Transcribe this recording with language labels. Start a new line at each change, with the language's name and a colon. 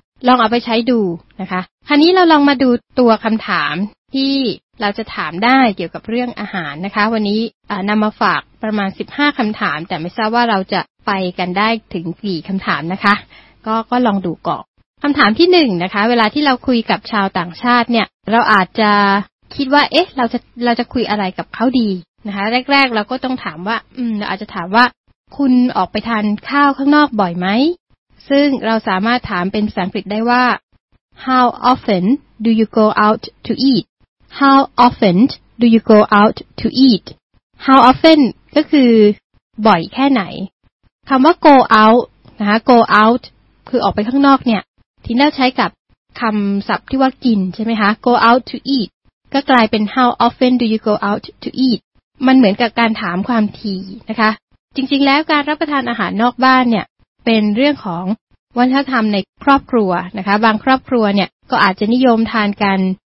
Thai: ลองเอาไปใช้ดูนะคะคราวนี้เราลองมาดูตัวคำถามที่เราจะถามได้เกี่ยวกับเรื่องอาหารนะคะวันนี้นำมาฝากประมาณ15คำถามแต่ไม่ทราบว่าเราจะไปกันได้ถึงกี่คำถามนะคะก็ลองดูก่อนคำถามที่1 นะคะเวลาที่เราคุยกับชาวต่างชาติเนี่ยเราอาจจะคิดว่าเอ๊ะเราจะคุยอะไรกับเขาดีนะคะแรกๆเราก็ต้องถามว่าเราอาจจะถามว่า คุณออกไปทานข้าวข้างนอกบ่อยไหมซึ่งเราสามารถถามเป็นภาษาอังกฤษได้ว่า
English: How often do you go out to eat? How often do you go out to eat?
Thai: How often ก็คือบ่อยแค่ไหนคำว่า go out นะคะ go out คือออกไปข้างนอกเนี่ยทีน่าใช้กับคำศัพท์ที่ว่ากินใช่ไหมคะ
English: go out to eat
Thai: ก็กลายเป็น
English: How often do you go out to eat?
Thai: มันเหมือนกับการถามความถี่นะคะจริงๆแล้วการรับประทานอาหารนอกบ้านเนี่ยเป็นเรื่องของวัฒนธรรมในครอบครัวนะคะบางครอบครัวเนี่ยก็อาจจะนิยมทานกัน